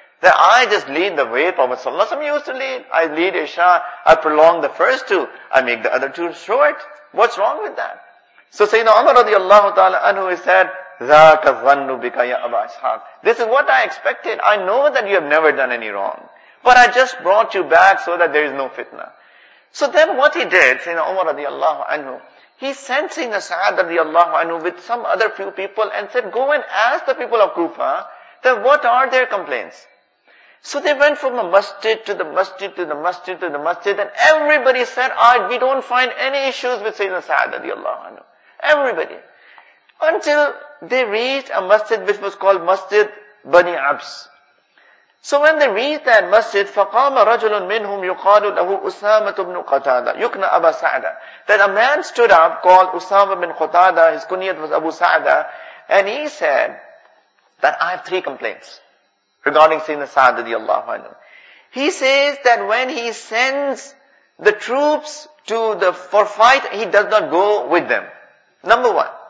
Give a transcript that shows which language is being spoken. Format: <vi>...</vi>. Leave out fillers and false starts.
<en>That I just lead the way Prophet صلى الله عليه وسلم used to lead. I lead Isha, I prolong the first two, I make the other two short. What's wrong with that? So Sayyidina Umar</en> <ar>رضي الله تعالى عنه</ar> <en>said,</en> <ar>ذاك الظن بك يا أبا إسحاق.</ar> <en>This is what I expected. I know that you have never done any wrong, but I just brought you back so that there is no fitna. So then what he did, Sayyidina Umar radiallahu anhu, he sent Sayyidina Sa'ad radiallahu anhu with some other few people and said, go and ask the people of Kufa that what are their complaints. So they went from the masjid to the masjid to the masjid to the masjid, and everybody said, we don't find any issues with Sayyidina Sa'ad radiallahu anhu. Everybody. Until they reached a masjid which was called Masjid Bani Abs. So when they reached that masjid,</en> <ar>فَقَامَ رَجُلٌ مِّنْهُمْ يُقَالُ لَهُ أُسَامَةُ بْنُ قَتَادَ يُكْنَ أَبَا سَعْدَ.</ar> <en>Then a man stood up called Usama bin Qatada, his kunyat was Abu Sa'da, and he said that I have three complaints regarding Sayyidina Sa'd radiallahu anhu. He says that when he sends the troops to the for fight, he does not go with them. Number one.</en>